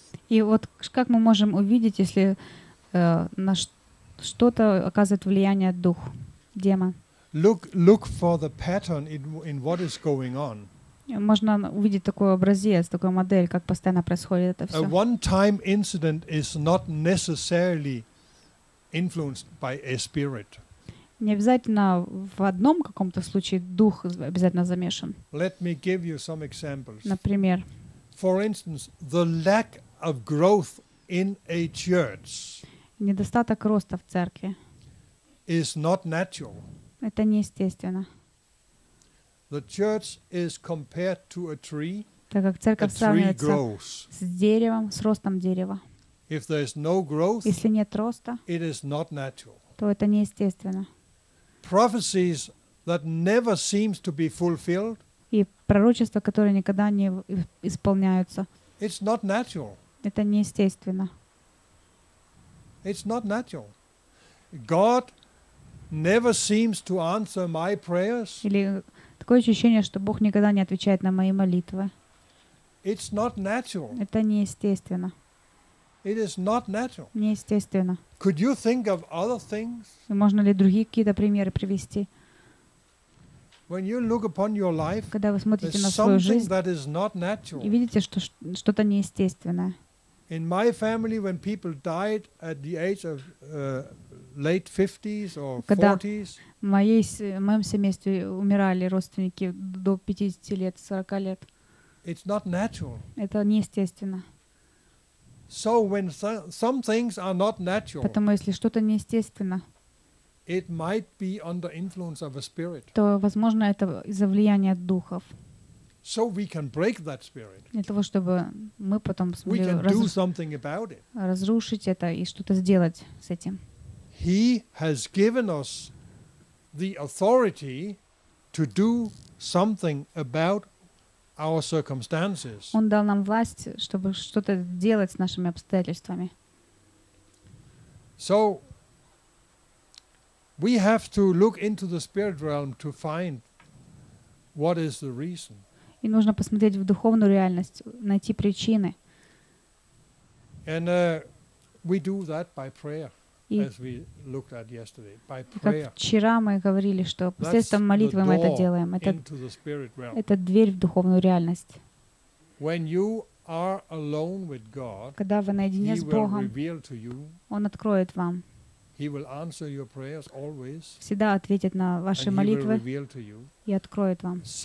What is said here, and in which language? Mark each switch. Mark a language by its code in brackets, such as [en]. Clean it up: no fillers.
[ru] И вот как мы можем увидеть, если на что-то оказывает влияние дух, демон? [en] Look for the pattern in what is going on. [ru] Можно увидеть такой образец, такую модель, как постоянно происходит это все. [en] A one-time incident is not necessarily influenced by a spirit. [ru] Не обязательно в одном каком-то случае дух обязательно замешан. [en] Let me give you some examples. [ru] Например. [en] For instance, the lack of growth in a church. [ru] Недостаток роста в церкви. [en] Is not natural. [ru] Это неестественно. [en] The church is compared to a tree. [ru] Так как церковь сравнивается с деревом, с ростом дерева. [en] If there is no growth, [ru] если нет роста, [en] it is not natural. [ru] То это неестественно. [en] Prophecies that never seems to be fulfilled. [ru] И пророчества, которые никогда не исполняются. [en] It's not natural. [ru] Это неестественно. [en] It's not natural. God never seems to answer my prayers. [ru] Или такое ощущение, что Бог никогда не отвечает на мои молитвы. [en] It's not natural. [ru] Это неестественно. [en] It is not natural. [ru] Неестественно. [en] Could you think of other things? [ru] Можно ли другие какие-то примеры привести? [en] When you look upon your life, [ru] когда вы смотрите на свою жизнь, [en] that is not natural. [ru] И видите, что что-то неестественное. [en] In my family, when people died at the age of late 50s or 40s, [ru] в моем семействе умирали родственники до 50 лет, 40 лет. [en] It's not natural. [ru] Это неестественно. [en] So when some things are not natural, [ru] потому если что-то неестественно, [en] it might be under influence of a spirit. [ru] То возможно это из-за влияния духов. [en] So we can break that spirit. [ru] Для того чтобы мы потом смогли разрушить это и что-то сделать с этим. [en] He has given us the authority to do something about our circumstances. [ru] Он дал нам власть, чтобы что-то делать с нашими обстоятельствами. [en] So we have to look into the spirit realm to find what is the reason. [ru] И нужно посмотреть в духовную реальность, найти причины. [en] And we do that by prayer, as we looked at yesterday, by prayer. [ru] Как вчера мы говорили, что посредством молитвы мы это делаем. Это дверь в духовную реальность. Когда вы наедине с Богом, Он откроет вам. Всегда ответит на ваши молитвы и откроет вам.